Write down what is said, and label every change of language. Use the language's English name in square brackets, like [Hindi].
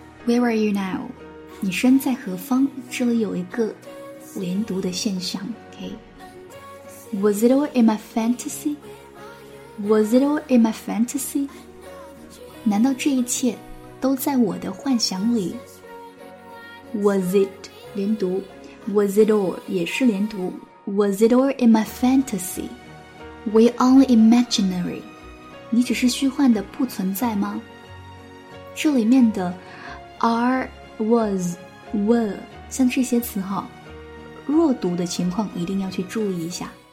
[English] Where are you now? [Chinese] 你身在何方？这里有一个连读的现象。 [English] Okay. Was it all in my fantasy? Was it all in my fantasy? [Chinese] 难道这一切都在我的幻想里？ Was it 连读， Was it all 也是连读。 [English] Was it all in my fantasy? We only imaginary. [Chinese] 你只是虚幻的不存在吗？这里面的 are, was, were 像这些词哈，弱读的情况一定要去注意一下。